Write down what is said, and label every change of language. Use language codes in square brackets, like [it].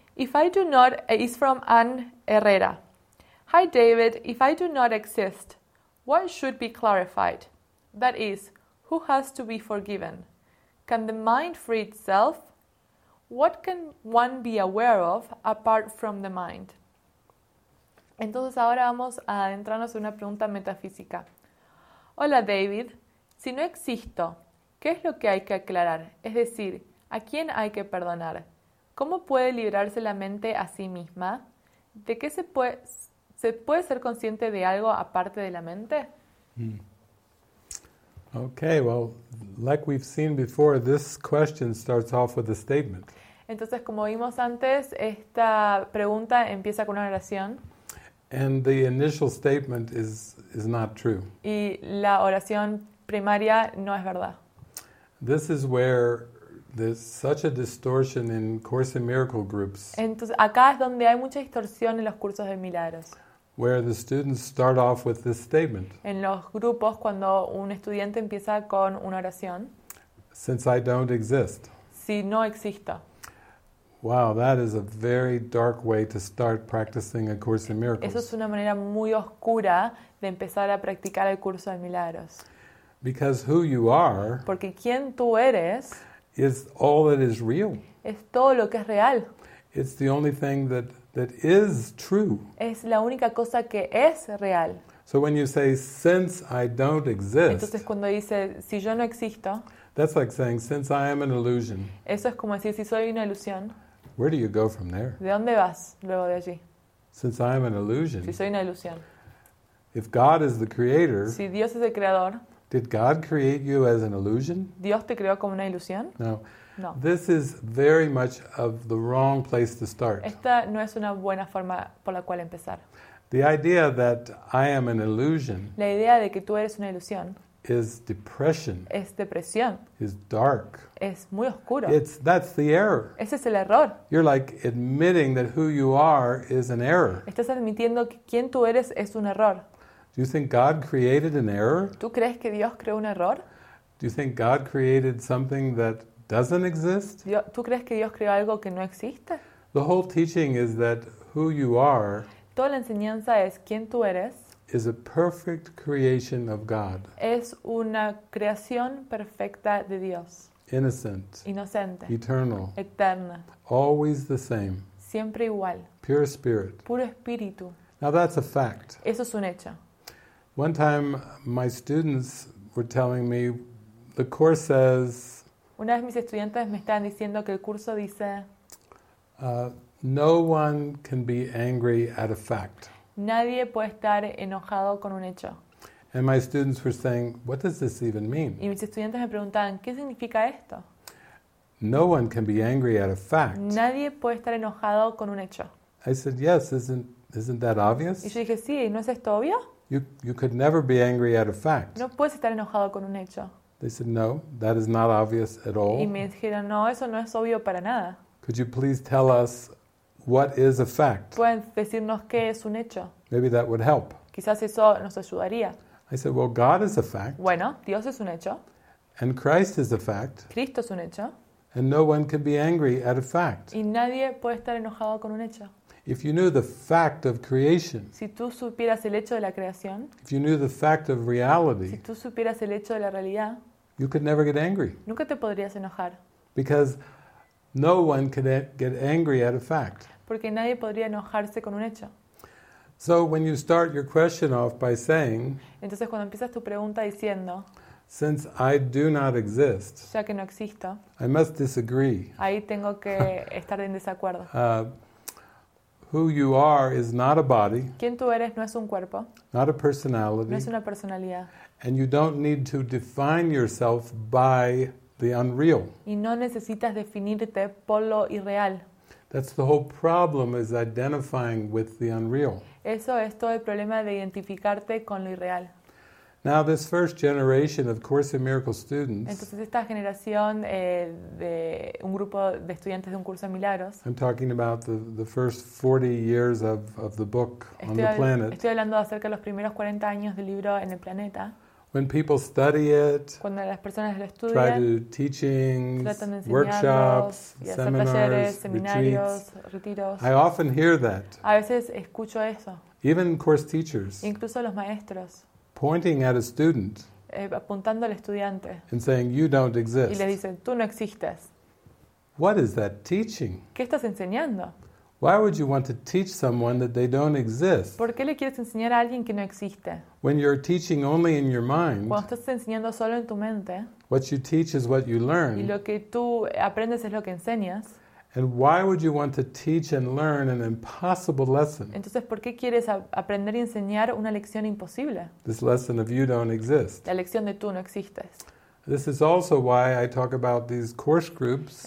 [en] If I do not, it's from Anne Herrera. Hi, David. If I do not exist, what should be clarified? That is, who has to be forgiven? Can the mind free itself? What can one be aware of apart from the mind? [es] Entonces ahora vamos a adentrarnos en una pregunta metafísica. Hola David, si no existo, ¿qué es lo que hay que aclarar? Es decir, ¿a quién hay que perdonar? ¿Cómo puede liberarse la mente a sí misma? ¿De qué se puede ser consciente de algo aparte de la mente? [en] Okay, well, like we've seen before, this question starts off with a statement. [es] Entonces, como vimos antes, esta pregunta empieza con una oración. [en] And the initial statement is not true. [es] Y la oración primaria no es verdad. [en] This is where there's such a distortion in Course in Miracles groups. [es] Entonces, acá es donde hay mucha distorsión en los cursos de milagros. [en] Where the students start off with this statement. [es] En los grupos cuando un estudiante empieza con una oración. [en] Since I don't exist. [es] Si no existo. [en] Wow, that is a very dark way to start practicing A Course in Miracles. [es] Eso es una manera muy oscura de empezar a practicar el curso de milagros. [en] Because who you are. [es] Porque quién tú eres. [en] Is all that is real. [es] Es todo lo que es real. [en] It's the only thing that is true. [es] Es la única cosa que es real. [en] So when you say since I don't exist. [es] Entonces cuando dice si yo no existo. [en] That's like saying since I am an illusion. [es] Eso es como decir si soy una ilusión. [en] Where do you go from there? [es] ¿De dónde vas luego de allí? [en] Since I am an illusion. [es] Si soy una ilusión. [en] If God is the creator. [es] Si Dios es el creador. [en] Did God create you as an illusion? [es] ¿Dios te creó como una ilusión? [en] No. [es] No. [en] This is very much of the wrong place to start. [es] Esta no es una buena forma por la cual empezar. [en] The idea that I am an illusion. [es] La idea de que tú eres una ilusión. [en] Is depression. [es] Es depresión. [en] Is dark. [es] Es muy oscuro. [en] That's the error. [es] Ese es el error. [en] You're like admitting that who you are is an error. [es] Estás admitiendo que quién tú eres es un error. [en] Do you think God created an error? [es] ¿Tú crees que Dios creó un error? [en] Do you think God created something that doesn't exist? [es] ¿Tú crees que Dios creó algo que no existe? [en] The whole teaching is that who you are. [es] Toda la enseñanza es quién tú eres. [en] Is a perfect creation of God. [es] Es una creación perfecta de Dios. [en] Innocent. [es] Inocente. [en] Eternal. [es] Eterna. [en] Always the same. [es] Siempre igual. [en] Pure spirit. [es] Puro espíritu. [en] Now that's a fact. [es] Eso es un hecho. [en] One time my students were telling me the course says. [es] Una vez mis estudiantes me estaban diciendo que el curso dice. [en] No one can be angry at a fact. [es] Nadie puede estar enojado con un hecho. [en] And my students were saying, what does this even mean? [es] Y mis estudiantes me preguntaban, ¿qué significa esto? [en] No one can be angry at a fact. [es] Nadie puede estar enojado con un hecho. [en] I said, yes, isn't that obvious? [es] Y yo dije, sí, ¿no es esto obvio? [en] You could never be angry at a fact. [es] No puedes estar enojado con un hecho. [en] They said, no, that is not obvious at all. [es] Y me dijeron, no, eso no es obvio para nada. [en] Could you please tell us what is a fact? [es] ¿Pueden decirnos qué es un hecho? [en] Maybe that would help. [es] Quizás eso nos ayudaría. [en] I said, well, God is a fact. [es] Bueno, Dios es un hecho. [en] And Christ is a fact. [es] Cristo es un hecho. [en] And no one can be angry at a fact. [es] Y nadie puede estar enojado con un hecho. [en] If you knew the fact of creation. [es] Si tú supieras el hecho de la creación. [en] If you knew the fact of reality. [es] Si tú supieras el hecho de la realidad. [en] You could never get angry. [es] Nunca te podrías enojar. [en] Because no one could get angry at a fact. [es] Porque nadie podría enojarse con un hecho. [en] So when you start your question off by saying, [es] entonces cuando empiezas tu pregunta diciendo, [en] since I do not exist, [es] ya que no existo, [en] I must disagree. [es] Ahí tengo que estar en desacuerdo. [en] Who you are is not a body. [es] Quién tú eres no es un cuerpo. [en] Not a personality. [es] No es una personalidad. [en] And you don't need to define yourself by the unreal. [es] Y no necesitas definirte por lo irreal. [en] That's the whole problem, is identifying with the unreal. [es] Eso es todo el problema de identificarte con lo irreal. [en] Now this first generation of Course in Miracles students. [es] Entonces esta generación de un grupo de estudiantes de un curso de milagros. [en] I'm talking about the first 40 years of the book on the planet. [es] Estoy hablando acerca de los primeros 40 años del libro en el planeta. [en] When people study it. [es] Cuando las personas lo estudian. [en] Try to do teachings, workshops, seminars, retreats. [es] Retiros. [en] I often hear that. [es] A veces escucho eso. [en] Even course teachers. [es] Incluso los maestros. [en] Pointing at a student, [es] apuntando al estudiante, [en] and saying you don't exist. [es] Y le dicen, tú no existes. [en] What is that teaching? [es] ¿Qué estás enseñando? [en] Why would you want to teach someone that they don't exist? [es] ¿Por qué le quieres enseñar a alguien que no existe? [en] When you're teaching only in your mind, [es] cuando estás enseñando solo en tu mente, [en] what you teach is what you learn. [es] Y lo que tú aprendes es lo que enseñas. [en] And why would you want to teach and learn an impossible lesson? [es] Entonces, ¿por qué quieres aprender y enseñar una lección imposible? [en] This lesson of you don't exist. [es] La lección de tú no existes. [en] This is also why I talk about these course groups.